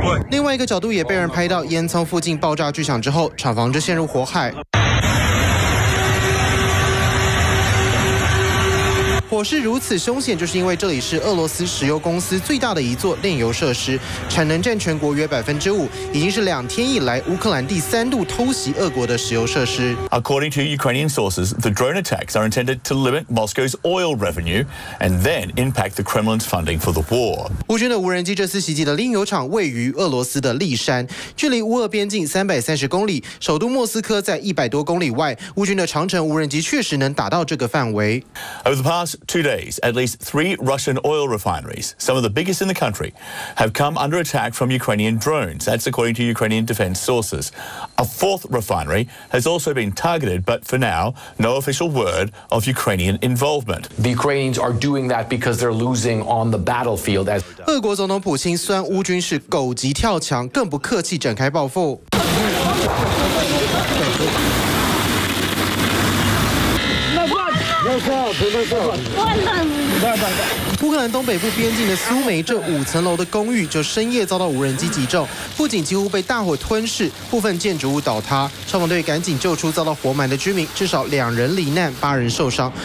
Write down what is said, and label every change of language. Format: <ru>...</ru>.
<zh>另外一个角度也被人拍到烟囱附近爆炸巨响之后，厂房就陷入火海，火势如此凶险，就是因为这里是俄罗斯石油公司最大的一座炼油设施，产能占全国约5%，已经是2天以来乌克兰第三度偷袭俄国的石油设施。</zh> <en>According to Ukrainian sources, the drone attacks are intended to limit Moscow's oil revenue and then impact the Kremlin's funding for the war.</en> <zh>乌军的无人机这次袭击的炼油厂位于俄罗斯的利山，距离乌俄边境330公里，首都莫斯科在100多公里外。乌军的长城无人机确实能打到这个范围。</zh> <en>Over the past2 days, at least 3 Russian oil refineries, some of the biggest in the country, have come under attack from Ukrainian drones. That's according to Ukrainian defense sources. A 4th refinery has also been targeted, but for now, no official word of Ukrainian involvement. The Ukrainians are doing that because they're losing on the battlefield.</en> <zh>俄国总统普京酸乌军是狗急跳墙，更不客气展开报复。乌克兰东北部边境的苏梅这5层楼的公寓就深夜遭到无人机击中，不仅几乎被大火吞噬，部分建筑物倒塌，消防队赶紧救出遭到活埋的居民，至少2人罹难，8人受伤。</zh>